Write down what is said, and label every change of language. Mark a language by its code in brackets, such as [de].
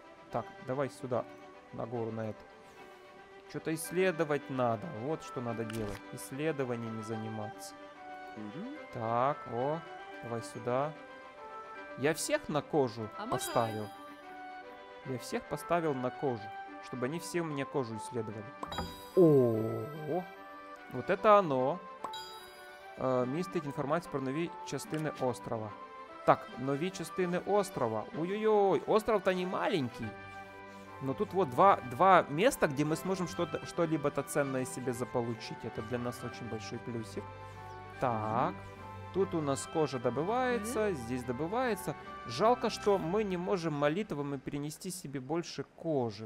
[ru] Так, давай сюда, на гору, на это. Что-то исследовать надо. Вот что надо делать. Исследованиями заниматься. Так, о, давай сюда. Я всех на кожу поставил. Я всех поставил на кожу. чтобы они все у меня кожу исследовали. О-о-о. Вот это оно. [uk] Місце інформації про нові частини острова. Так, нові частини острова. [ru] Ой-ой-ой, остров-то не маленький. Но тут вот два места, где мы сможем что-либо то ценное себе заполучить. Это для нас очень большой плюсик. Так, тут у нас кожа добывается, здесь добывается. Жалко, что мы не можем молитвами перенести себе больше кожи.